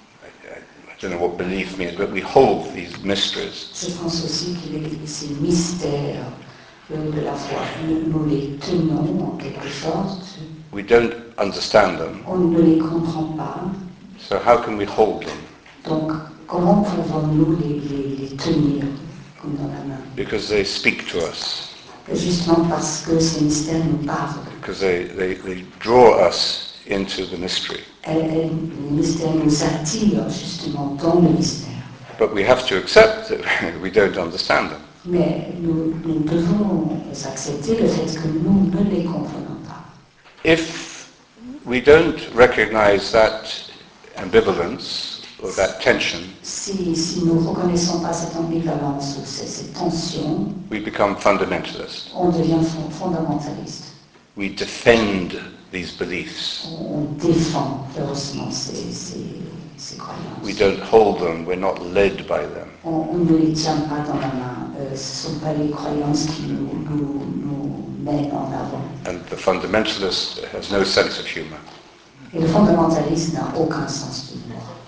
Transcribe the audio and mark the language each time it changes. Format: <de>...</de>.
<en>I don't know what belief means, but we hold these mysteries.</en> <fr>Je pense aussi qu'il est ces mystères de la foi. Nous les tenons en quelque sorte.</fr> <en>We don't understand them.</en> <fr>On ne les comprend pas.</fr> <en>So how can we hold them?</en> <fr>Donc, comment pouvons-nous les tenir comme dans la main?</fr> <en>Because they speak to us.</en> <fr>Justement parce que ces mystères nous parlent.</fr> <en>Because they draw us into the mystery.</en> <fr>Les mystères nous attirent justement dans le mystère.</fr> <en>But we have to accept that we don't understand them.</en> <fr>Mais nous devons accepter le fait que nous ne les comprenons pas.</fr> <en>If we don't recognize that ambivalence, or that tension,</en> <fr>si nous ne reconnaissons pas cette ambivalence ou cette tension,</fr> <en>we become fundamentalist.</en> <fr>On devient fondamentaliste.</fr> <en>We defend these beliefs.</en> <fr>On défend heureusement ces croyances.</fr> <en>We don't hold them, we're not led by them.</en> <fr>On ne les tient pas dans la main. Ce ne sont pas les croyances qui nous mènent en avant.</fr> <en>And the fundamentalist has no sense of humor.</en> <fr>Et le fundamentaliste n'a aucun sens de l'humour.</fr>